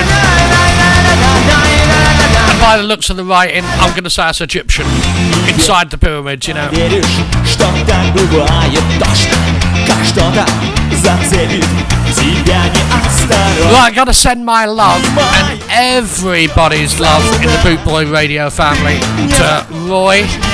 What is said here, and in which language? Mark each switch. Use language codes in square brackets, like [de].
[en] And by the looks of the writing, I'm gonna say it's Egyptian. Inside the pyramids, you know. [ru] Веришь, что так бывает дождь, как что-то зацепит тебя неосторожно. [en] Right, gotta send my love and everybody's love in the Boot Boy Radio family to Roy.